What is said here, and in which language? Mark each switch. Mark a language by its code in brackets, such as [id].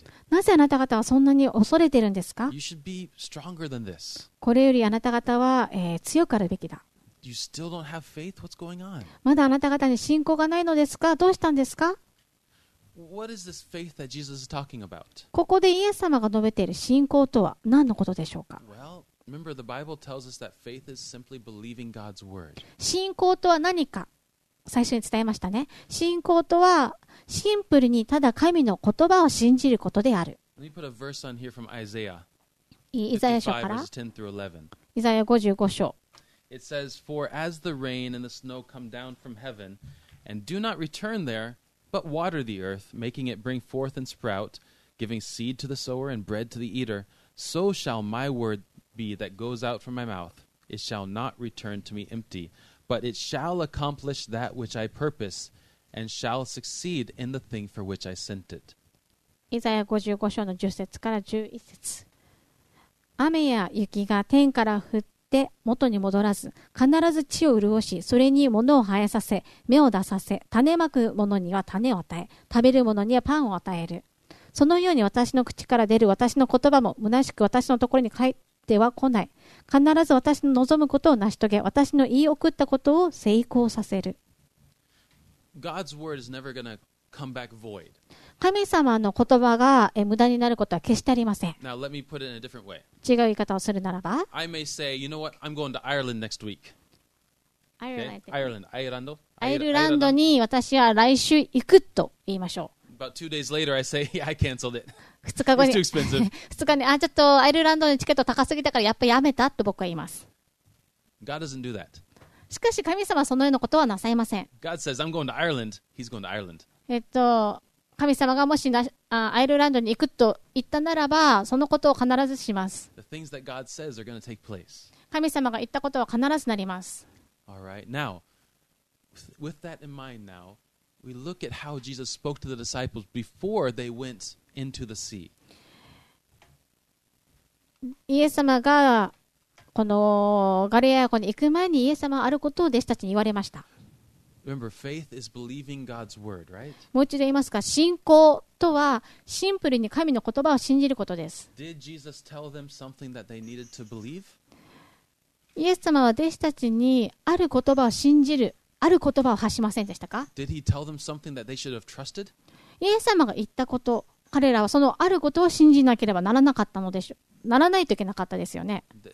[ja] なぜあなた方はそんなに恐れてるんですか？ [en] You should be stronger than this. [ja] これよりあなた方は、強くあるべきだ。 [en] You still don't have faith? What's going on? [ja] まだあなた方に信仰がないのですか？どうしたんですか？ [en] What is this faith that Jesus is talking about? [ja] ここでイエス様が述べている信仰とは何のことでしょうか？ [en] Well, remember the Bible tells us that faith is simply believing God's word. [ja] 信仰とは何か？最初に伝えましたね。信仰とはシンプルにただ神の言葉を信じることである。イザヤ書から、イザヤ 55章。 [en] It says, For as the rain and the snow come down from heaven and do not return there, but water the earth, making it bring forth and sprout, giving seed to the sower and bread to the eater, so shall my word be that goes out from my mouth. It shall not return to me empty, but it shall accomplish that which I purpose. And shall succeed in the thing for which I sent it. [ja] イザヤ55章の10節から11節。雨や雪が天から降って元に戻らず、必ず地を潤し、それに物を生えさせ、芽を出させ、種まく者には種を与え、食べる者にはパンを与える。そのように私の口から出る私の言葉も虚しく私のところに帰っては来ない。必ず私の望むことを成し遂げ、私の言い送ったことを成功させる。 [en] God's word is never gonna come back void. [ja] 神様の言葉が無駄になることは決してありません。 [en] Now, let me put it in a different way. [ja] 違う言い方をするならば、 [en] I may say, you know what? I'm going to Ireland next week. Ireland. Okay? Ireland. [ja] アイルランドに私は来週行くと言いましょう。 [en] About two days later, I say, yeah, I canceled it. [ja] 2日後に [en] It's too expensive. [ja] 2日後に、あ、ちょっとアイルランドのチケット高すぎたからやっぱやめたと僕は言います。 [en] God doesn't do that. [ja] しかし神様はそのようなことはなさいません。 [en] God says, I'm going to Ireland. He's going to Ireland. [ja] 神様がもしアイルランドに行くと言ったならば、そのことを必ずします。 [en] The things that God says are going to take place. [ja] 神様が言ったことは必ずなります。 [en] All right. Now, with that in mind now, we look at how Jesus spoke to the disciples before they went into the sea. [ja] イエス様がこのガリラヤ湖に行く前にイエス様はあることを弟子たちに言われました。 [en] Remember, faith is believing God's word, right? [ja] もう一度言いますか、信仰とはシンプルに神の言葉を信じることです。 [en] Did Jesus tell them something that they needed to believe? [ja] イエス様は弟子たちにある言葉を信じる、ある言葉を発しませんでしたか？ [en] Did he tell them something that they should have trusted? [ja] イエス様が言ったこと、彼らはそのあることを信じなければならなかったのでしょう。ならないといけなかったですよね。